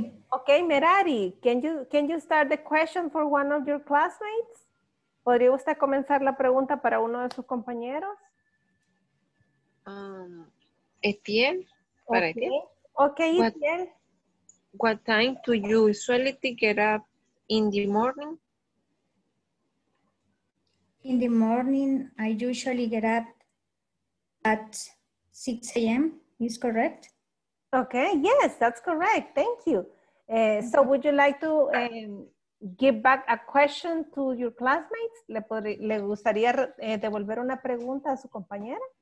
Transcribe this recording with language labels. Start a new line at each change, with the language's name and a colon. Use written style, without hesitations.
English: Okay, Merari, can you start the question for one of your classmates?
Spanish: ¿Podría usted comenzar la pregunta para uno de sus compañeros? Etienne, para
English: okay. Etienne. Okay, what, Etienne. What time do you usually get up in the morning? In the morning, I usually get up at 6 a.m., is correct? Okay, yes, that's correct. Thank you. So would you like to give back a question to your classmates?
Spanish: ¿Le gustaría devolver una pregunta a su compañera?